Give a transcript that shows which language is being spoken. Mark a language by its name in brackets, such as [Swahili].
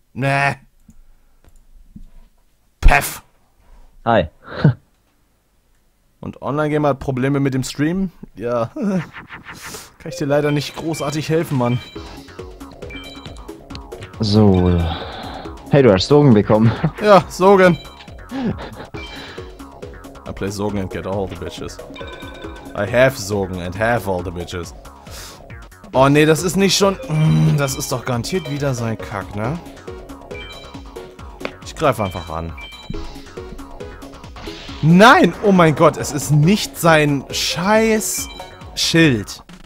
[German] Nee. Pef. Hi. Online-Game hat Probleme mit dem Stream? Ja. Kann ich dir leider nicht großartig helfen, Mann. So. Hey, du hast Sorgen bekommen. Ja, Sorgen. [English] I play Sorgen and get all the bitches. I have Sorgen and have all the bitches. [German] Oh nee, das ist nicht schon. Das ist doch garantiert wieder sein Kack, ne? Ich greife einfach an. Nein! Oh mein Gott, es ist nicht sein scheiß Schild.